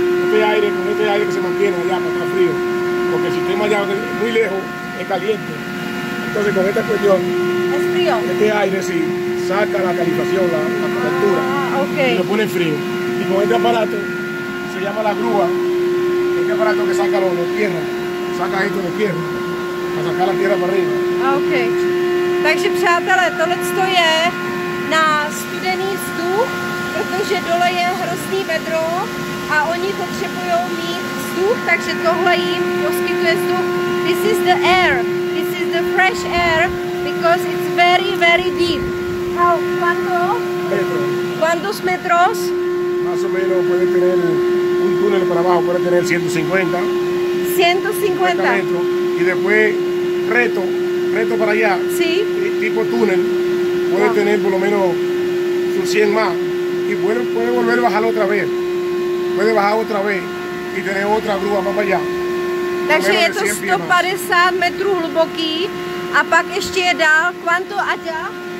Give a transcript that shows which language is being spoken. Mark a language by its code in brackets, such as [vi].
[es] que hay que se mantiene allá para estar frío, porque si estoy allá muy lejos, es caliente. Entonces con esta cuestión, ¿es frío? Este aire sí, saca la calefacción, la calentura, okay. Y lo pone frío. Y con este aparato, se llama la grúa, este aparato que saca los tierra, saca esto de tierra, para sacar la tierra para arriba. Ok. [cs] Takže přátelé, tohle to je na studený vzduch, protože dole je hrozný vedro a oni potřebují mít vzduch, takže tohle jim poskytuje vzduch. [en] This is the air, this is the fresh air, because it's very, very deep. [es] How, cuánto? Metros. ¿Cuántos metros? Más o menos puede tener un túnel para abajo, puede tener 150. 150. Metros, y después reto. Reto para allá, ¿sí? Tipo túnel, puede wow. Tener por lo menos sus 100 más y puede volver a bajar otra vez, puede bajar otra vez y tener otra grúa más para allá. [cs] Takže je to 150 metrů hluboký a pak ještě je dál, [es] ¿cuánto allá?